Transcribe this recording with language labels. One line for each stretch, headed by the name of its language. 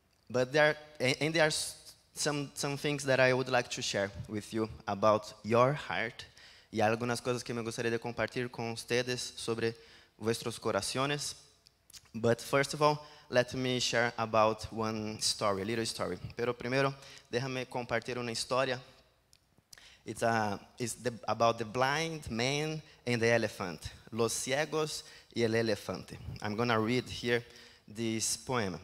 English: But there are some things that I would like to share with you about your heart.
Spanish: Y algunas cosas que me gustaría de compartir con ustedes sobre vuestros corazones.
English: But first of all, let me share about one story, a little story.
Spanish: Pero primero, déjame compartir una historia.
English: It's about the blind man and the elephant.
Spanish: Los ciegos y el elefante.
English: I'm going to read here this poem.